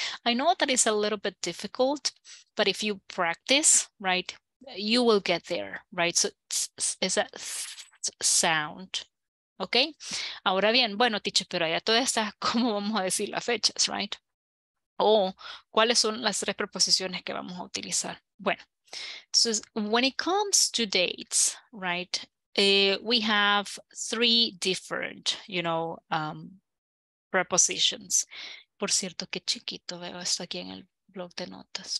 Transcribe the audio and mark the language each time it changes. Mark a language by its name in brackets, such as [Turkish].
[English] I know that it's a little bit difficult, but if you practice, right, you will get there, right? So it's a sound, okay? [Spanish] Ahora bien, bueno, teacher, pero ya todas estas, ¿cómo vamos a decir las fechas, right? O ¿cuáles son las tres preposiciones que vamos a utilizar? [English] Bueno, so when it comes to dates, right, we have three different, you know, prepositions. [Spanish] Por cierto, qué chiquito veo esto aquí en el blog de notas.